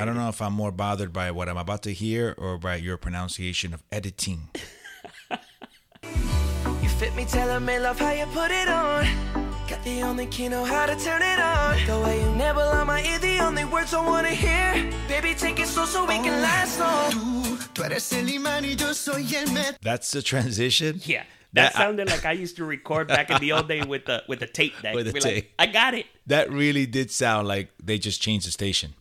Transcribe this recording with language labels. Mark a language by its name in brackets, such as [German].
[English] I don't know if I'm more bothered by what I'm about to hear or by your pronunciation of editing. You fit me, telling me love how you put it on. Got the only key, know how to turn it on. The way you never lie, my ear, the only words I want to hear. Baby, take it slow so we can last long. [Spanish] Tú eres el imán y yo soy el metal. [English] That's the transition? Yeah. That sounded like I used to record back in the old day with the tape deck. With the tape. Like, I got it. That really did sound like they just changed the station.